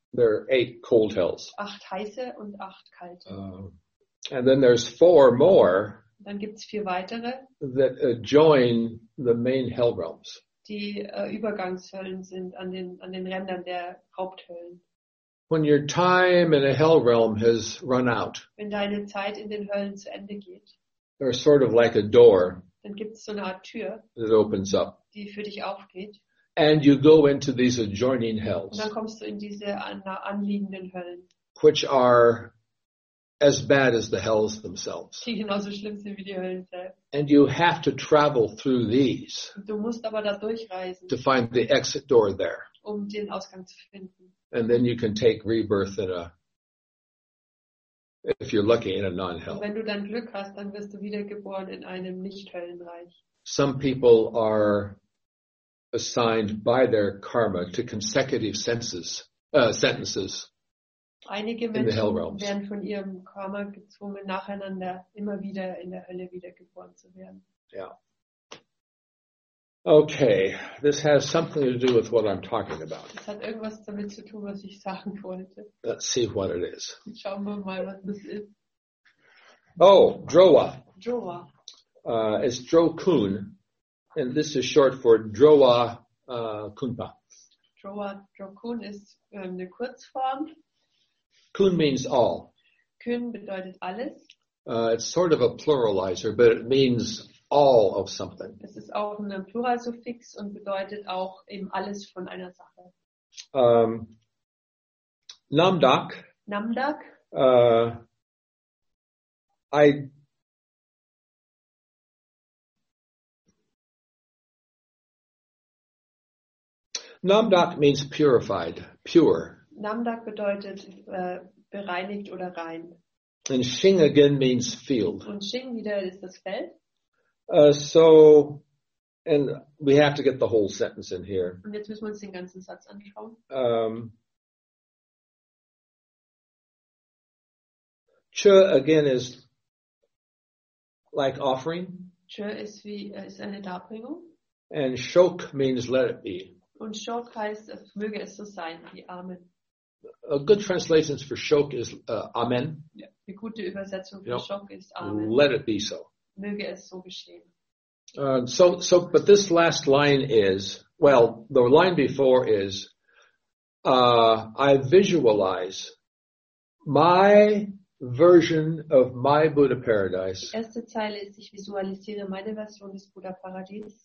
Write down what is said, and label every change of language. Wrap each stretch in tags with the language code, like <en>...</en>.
<en>There are 8 cold hells.</en> <de>8 heiße und 8 kalte.</de> <en>And then there's 4 more.</en> <de>Dann gibt's 4 weitere.</de> <en>That join the main hell realms.</en> <de>Die Übergangshöllen sind an den Rändern der Haupthöllen.</de> <en>When your time in a hell realm has run out.</en> <de>Wenn deine Zeit in den Höllen zu Ende geht.</de> <en>There is sort of like a door.</en> <de>Dann gibt's so eine Art Tür.</de> <en>That opens up.</en> <de>Die für dich aufgeht.</de> <en>And you go into these adjoining hells.</en> <de>Und dann kommst du in diese anliegenden Höllen.</de> <en>Which are as bad as the hells themselves.</en> <de>Die genauso schlimm sind wie die Höllen selbst.</de> <en>And you have to travel through these.</en> <de>Du musst aber da durchreisen.</de> <en>To find the exit door there.</en> <de>Um den Ausgang zu finden.</de> <en>And then you can take rebirth in a, if you're lucky, in a non-hell.</en> <de>Wenn du dann Glück hast, dann wirst du wiedergeboren in einem Nicht-Höllenreich.</de> <en>Some people are assigned by their karma to consecutive sentences.</en> <de>Einige Menschen werden von ihrem Karma gezwungen, nacheinander immer wieder in der Hölle wiedergeboren zu werden.</de> <en>Ja. Yeah. Okay, this has something to do with what I'm talking about.</en> <de>Das hat irgendwas damit zu tun, was ich sagen wollte.</de> <en>Let's see what it is.</en> <de>Schauen wir mal, was das ist.</de> <en>Oh, Drowa.</en> <de>Drowa.</de> <en>It's Drokun, and this is short for Drowa Kunpa.</en> <de>Drowa Drokun ist eine Kurzform.</de> <en>Kun means all.</en> <de>Kun bedeutet alles.</de> <en>It's sort of a pluralizer, but it means all of something.</en> <de>Es ist auch ein Pluralsuffix und bedeutet auch eben alles von einer Sache.</de> <en>Namdak.</en> <de>Namdak.</de> <en>Namdak means purified, pure.</en> <de>Namdak bedeutet bereinigt oder rein.</de> <en>And Shing again means field.</en> <de>Und Shing wieder ist das Feld.</de> <en>So, and we have to get the whole sentence in here.</en> <de>Und jetzt müssen wir uns den ganzen Satz anschauen.</de> <en>Chö again is like offering.</en> <de>Chö ist wie ist eine Darbringung.</de> <en>And Shok means let it be.</en> <de>Und Shok heißt, möge es so sein, wie Amen.</de> <en>A good translation for Shok is Amen.</en> <de>Ja, die gute Übersetzung für Shok ist Amen.</de> <en>Let it be so.</en> <de>Möge es so geschehen.</de> <en>So, but this last line is, well, the line before is, I visualize my version of my Buddha paradise.</en> <de>Die erste Zeile ist, ich visualisiere meine Version des Buddha Paradies.</de>